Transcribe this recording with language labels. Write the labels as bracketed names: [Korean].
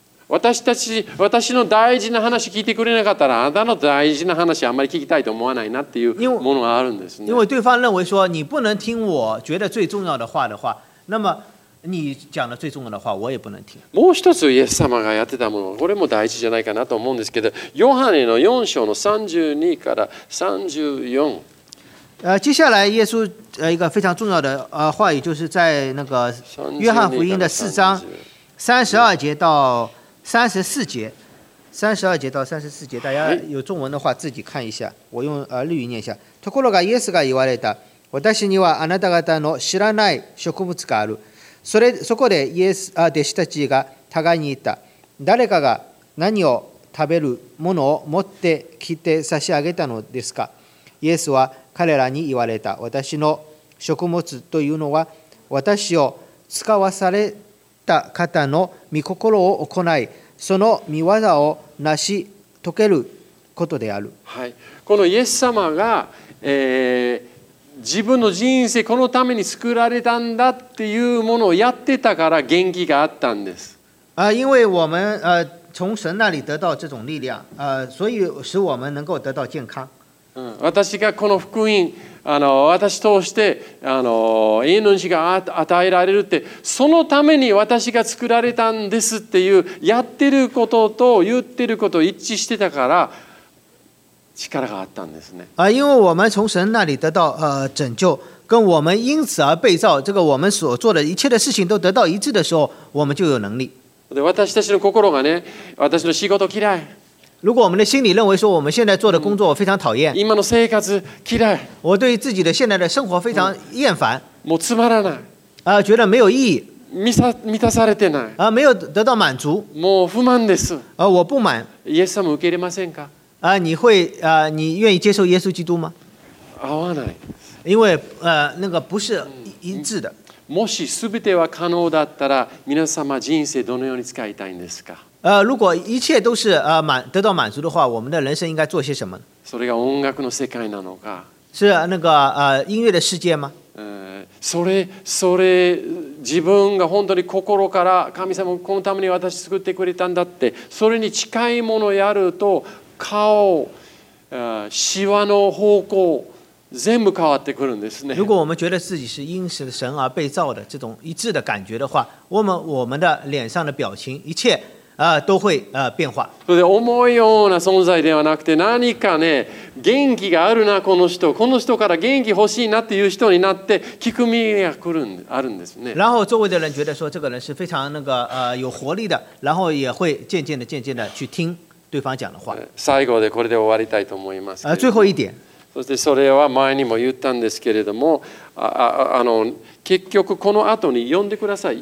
[Japanese] 私の大事な話聞いてくれなかったら、あなたの大事な話あんまり聞きたいと思わないなっていうものがあるんですね。 [Chinese] 因为对方认为说你不能听我觉得最重要的话的话，那么你讲的最重要的话我也不能听。 [Japanese] もう一つイエス様がやってたもの、これも大事じゃないかなと思うんですけど、ヨハネの4章の32から34。 [Chinese] 接下来耶稣一个非常重要的话语，就是在那个约翰福音的四章三十二节到三十四节，三十二节到三十四节，大家有中文的话自己看一下，我用日语念一下。 [Japanese] ところがイエスが言われた、私にはあなた方の知らない植物がある。そこでイエス弟子たちが互いに言った。誰かが何を食べるものを持ってきて差し上げたのですか。イエスは彼らに言われた、私の食物というのは私を使わされた方の御心を行い、その御業を成し遂げることである、はい、このイエス様が、自分の人生このために作られたんだっていうものをやってたから元気があったんです。 [Chinese] 因为我们从神那里得到这种力量，所以使我们能够得到健康。 [Japanese] 私がこの福音、私通して永遠の命が与えられるって、そのために私が作られたんですっていう、やってることと言ってること一致してたから力があったんですね。 [Chinese] 因为我们从神那里得到拯救，跟我们因此而被造，这个我们所做的一切的事情都得到一致的时候，我们就有能力。 [Japanese] で、私たちの心がね、私の仕事嫌い、 [Chinese] 如果我们的心里认为说我们现在做的工作我非常讨厌， [Japanese] 今の生活嫌い， [Chinese] 我对自己的现在的生活非常厌烦， [Japanese] もうつまらない， [Chinese] 觉得没有意义， [Japanese] 満たされてない， [Chinese] 没有得到满足， [Japanese] もう不満です， [Chinese] 我不满。 [Japanese] イエス様受け入れませんか？ [Chinese] 你会你愿意接受耶稣基督吗？ [Japanese] 合わない， [Chinese] 因为那个不是一致的。 [Japanese] もし全ては可能だったら、皆様人生どのように使いたいんですか？ [Chinese] 如果一切都是得到满足的话，我们的人生应该做些什么？ [Japanese] それが音楽の世界なのか？ [Chinese] 是那个音乐的世界吗？ [Japanese] それ自分が本当に心から神様このために私作ってくれたんだってそれに近いものやると顔シワの方向全部変わってくるんですね。 [Chinese] 如果我们觉得自己是因神而被造的这种一致的感觉的话，我们的脸上的表情一切都会变化。 [Japanese] それで思うような存在ではなくて何かね元気があるなこの人この人から元気欲しいなっていう人になって聞く耳が来るあるんですね。 [Chinese] 然后周围的人觉得说这个人是非常那个有活力的，然后也会渐渐的去听对方讲的话。 [Japanese] 最后でこれで終わりたいと思います。 [Chinese] 最后一点。 [Japanese] そしてそれは前にも言ったんですけれども、あの結局この後に読んでください。